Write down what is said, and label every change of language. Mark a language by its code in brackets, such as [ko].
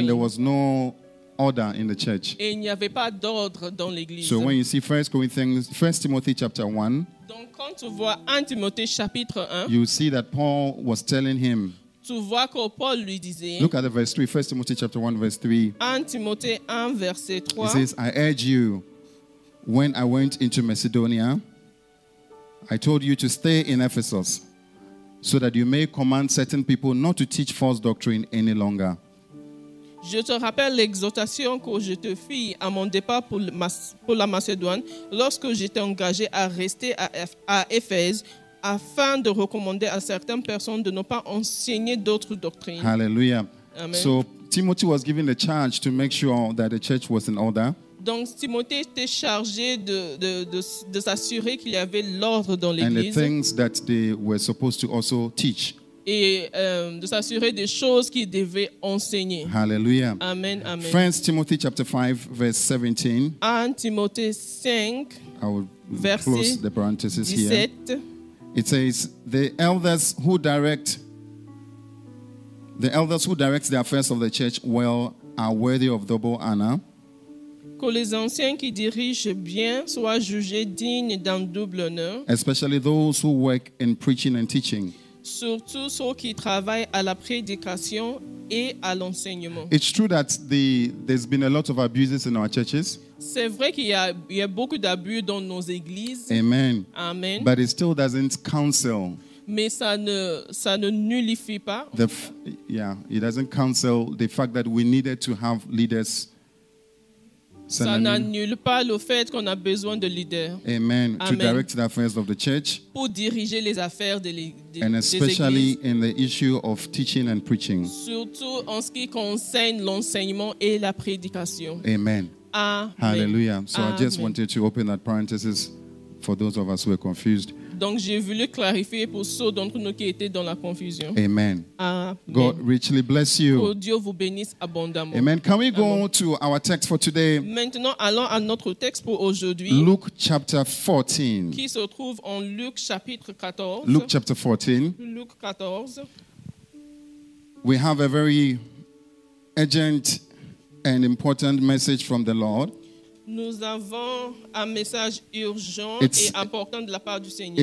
[en] And there was no order in the church. [fr] Et il n'y avait pas d'ordre dans l'église. [en] So when you see 1 Timothy chapter 1. [fr] Donc quand tu vois 1 Timothée chapitre 1, [en] you see that Paul was telling him. [fr] Tu vois que Paul lui disait. [en] Look at the verse 3, 1 Timothy chapter 1 verse 3. [fr] 1 Timothée 1 verset 3. [en] It says, I urge you when I went into Macedonia, I told you to stay in Ephesus so that you may command certain people not to teach false doctrine any longer. [fr] Je te rappelle l'exhortation que je te fis à mon départ pour la Macédoine lorsque j'étais engagé à rester à Éphèse afin de recommander à certaines personnes de ne pas enseigner d'autres doctrines. Alléluia. Amen. [en] So Timothy was given the charge to make sure that the church was in order. [fr] Donc Timothée était chargé de s'assurer qu'il y avait l'ordre dans l'église. [en] And the things that they were supposed to also teach. [fr] Et de s'assurer des choses qu'il devait enseigner. Hallelujah. Amen, amen. [en] 1 Timothy chapter 5 verse 17. [fr] 1 Timothée 5 verset [en] close the parentheses [fr] 17. [en] Here. It says the elders who direct the affairs of the church well are worthy of double honor. [fr] Que les anciens qui dirigent bien soient jugés dignes d'un double honneur. [en] Especially those who work in preaching and teaching. [fr] Surtout ceux qui travaillent à la prédication et à l'enseignement. [en] It's true that there's been a lot of abuses in our churches. [fr] C'est vrai qu'il y a beaucoup d'abus dans nos églises. Amen. Amen. [en] But it still doesn't cancel. [fr] Mais ça ne nullifie pas. [en] It doesn't cancel the fact that we needed to have leaders. [fr] Ça n'annule pas le fait qu'on a besoin de leaders. Amen. [en] To direct the affairs of the church. [fr] Pour diriger les affaires de l'église. [en] And especially in the issue of teaching and preaching. [fr] Surtout en ce qui concerne l'enseignement et la prédication. Amen. Amen. Hallelujah. [en] So amen. I just wanted to open that parenthesis for those of us who are confused. [fr] Donc j'ai voulu clarifier pour ceux d'entre nous qui étaient dans la confusion. Amen. Amen. [en] God richly bless you. [fr] Que Dieu vous bénisse abondamment. [en] Amen. Can we go amen. To our text for today? [fr] Maintenant allons à notre texte pour aujourd'hui. [en] Luke chapter 14. [fr] Qui se trouve en Luc chapitre 14. [en] Luke chapter 14. [fr] Luc 14. [en] We have a very urgent and important message from the Lord. [fr] Nous avons un message urgent it's, et important de la part du Seigneur.